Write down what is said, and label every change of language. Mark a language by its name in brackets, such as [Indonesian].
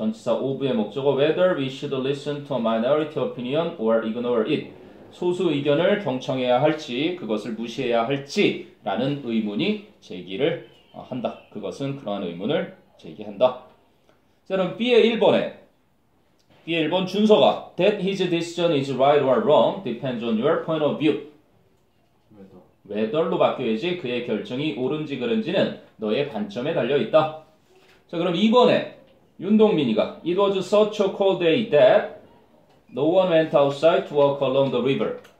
[Korean] 전치사 of의 목적어 [English] whether we should listen to a minority opinion or ignore it. [Korean] 소수 의견을 경청해야 할지, 그것을 무시해야 할지라는 의문이 제기를 한다. 그것은 그러한 의문을 제기한다. 자, 그럼 B의 1번에. B의 1번 준서가 [English] That his decision is right or wrong depends on your point of view. [Korean] whether로 바뀌어야지 그의 결정이 옳은지 그른지는 너의 관점에 달려있다. 자, 그럼 2번에. [English] 윤동민이가 It was such a cold day that no one went outside to walk along the river.